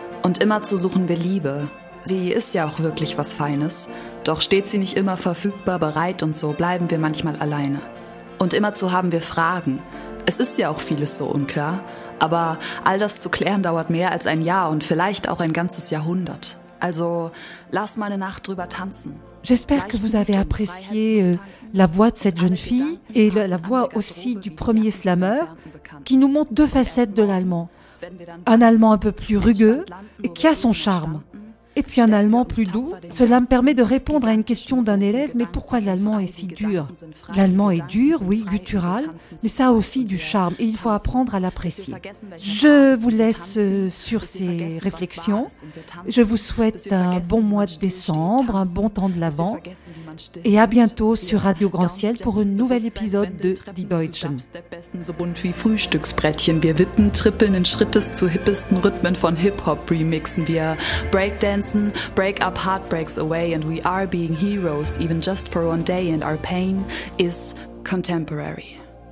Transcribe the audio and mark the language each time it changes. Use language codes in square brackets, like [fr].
[de] Und immerzu suchen wir Liebe. Sie ist ja auch wirklich was Feines, doch steht sie nicht immer verfügbar, bereit und so bleiben wir manchmal alleine. Und immerzu haben wir Fragen. Es ist ja auch vieles so unklar, aber all das zu klären dauert mehr als ein Jahr und vielleicht auch ein ganzes Jahrhundert. Also, lass mal eine Nacht drüber tanzen. [fr] J'espère que vous avez apprécié la voix de cette jeune fille et la voix aussi du premier slammer qui nous montre deux facettes de l'allemand. Un allemand un peu plus rugueux et qui a son charme. Et puis un allemand plus doux. Cela me permet de répondre à une question d'un élève, mais pourquoi l'allemand est si dur? L'allemand est dur, oui, guttural, mais ça a aussi du charme et il faut apprendre à l'apprécier. Je vous laisse sur ces réflexions. Je vous souhaite un bon mois de décembre, un bon temps de l'Avent et à bientôt sur Radio Grand Ciel pour un nouvel épisode de Die Deutschen. [de] So bunt wie Frühstücksbrettchen. Wir wippen, trippeln in Schrittes zu hippesten Rhythmen von Hip-Hop-Remixen. Wir Breakdance [en] break up heartbreaks away and we are being heroes even just for one day and our pain is contemporary.